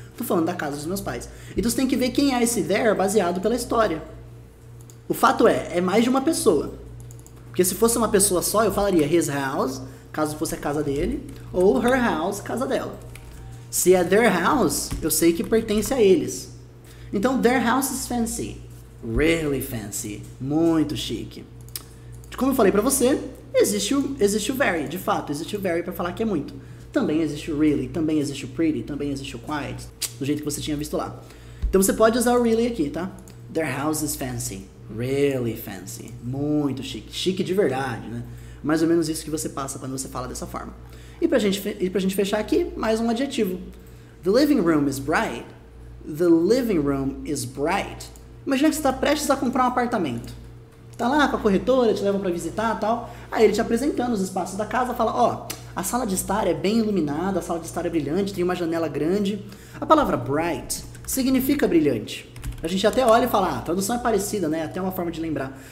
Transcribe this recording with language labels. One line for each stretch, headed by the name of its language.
Portuguese: Tô falando da casa dos meus pais. Então você tem que ver quem é esse there baseado pela história. O fato é mais de uma pessoa. Porque se fosse uma pessoa só, eu falaria his house, caso fosse a casa dele. Ou her house, casa dela. Se é their house, eu sei que pertence a eles. Então,
English: their house is fancy. Really fancy.
Portuguese: Muito chique. Como eu falei pra você, existe o very, de fato, existe o very pra falar que é muito. Também existe o really, também existe o pretty, também existe o quiet, do jeito que você tinha visto lá. Então você pode usar o really aqui, tá?
English: Their house is fancy, really fancy,
Portuguese: muito chique, chique de verdade, né? Mais ou menos isso que você passa quando você fala dessa forma. E pra gente fechar aqui, mais um adjetivo.
English: The living room is bright, the living room is bright.
Portuguese: Imagina que você tá prestes a comprar um apartamento. Tá lá com a corretora, te leva pra visitar e tal. Aí ele te apresentando os espaços da casa, fala, ó, a sala de estar é bem iluminada, a sala de estar é brilhante, tem uma janela grande. A palavra bright significa brilhante. A gente até olha e fala, ah, a tradução é parecida, né? Até uma forma de lembrar.